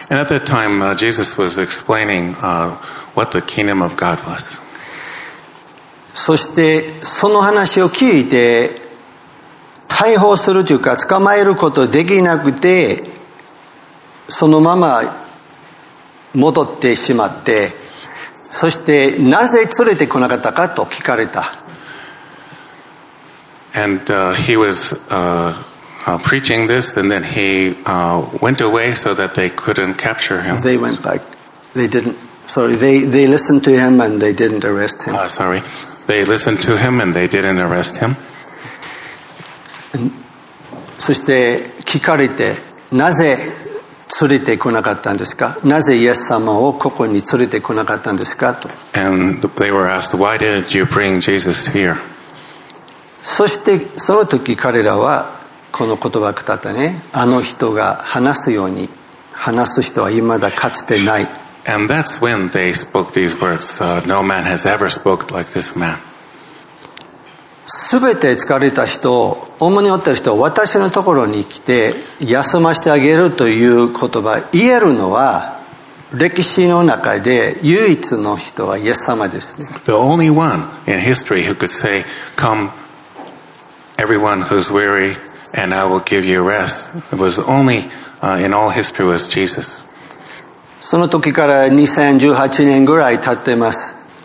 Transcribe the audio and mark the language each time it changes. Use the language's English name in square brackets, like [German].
[English] And at that time, Jesus was explaining, what the kingdom of God was. [Japanese] そしてその話を聞いて逮捕するというか捕まえることできなくて、そのまま戻ってしまって、そしてなぜ連れてこなかったかと聞かれた。 [English] And he was preaching this, and then he went away so that they couldn't capture him. They went back. They didn't. Sorry. They listened to him and they didn't arrest him. Sorry. They listened to him and they didn't arrest him. [Japanese] そして聞かれて、なぜ連れてこなかったんですか。なぜイエス様をここに連れてこなかったんですかと。 [English] And they were asked, why didn't you bring Jesus here? [Japanese] そしてその時彼らはこの言葉を語ったね。あの人が話すように話す人は未だかつてない。 [English] And that's when they spoke these words. No man has ever spoke like this man. [Japanese] すべて疲れた人、重に負ってる人を私のところに来て休ませてあげるという言葉言えるのは歴史の中で唯一の人はイエス様ですね。 [English] The only one in history who could say, "Come, everyone who's weary, and I will give you rest." It was only in all history was Jesus. [Japanese] その時から2018年ぐらい経ってます。